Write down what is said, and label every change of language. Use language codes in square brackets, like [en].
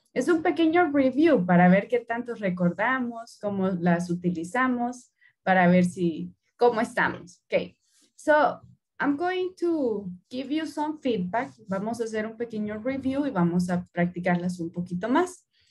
[es] Es un pequeño review para ver qué tanto recordamos, cómo las utilizamos, para ver si, cómo estamos. [en] Okay, so I'm going to give you some feedback. [es] Vamos a hacer un pequeño review y vamos a practicarlas un poquito más.